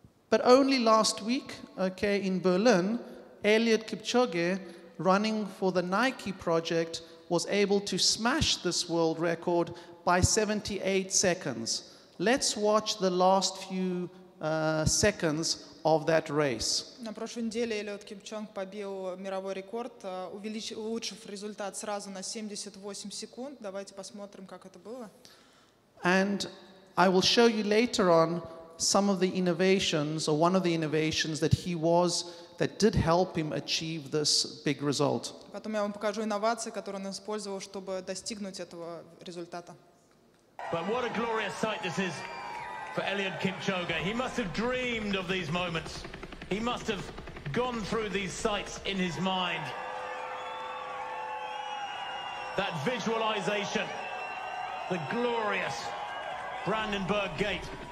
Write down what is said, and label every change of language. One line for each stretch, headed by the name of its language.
English: But only last week, okay, in Berlin, Eliud Kipchoge, running for the Nike project, was able to smash this world record by 78 seconds. Let's watch the last few seconds of that race.
Russian: На прошлой неделе Элиот Кипчонг побил мировой рекорд, улучшив результат сразу на 78 секунд. Давайте посмотрим, как это было.
English: And I will show you later on some of the innovations, or one of the innovations that he was, that did help him achieve this big result.
Russian: Потом я вам покажу инновации, которые он использовал, чтобы достигнуть этого результата.
English: But what a glorious sight this is for Eliud Kipchoge. He must have dreamed of these moments. He must have gone through these sights in his mind. That visualization, the glorious Brandenburg Gate.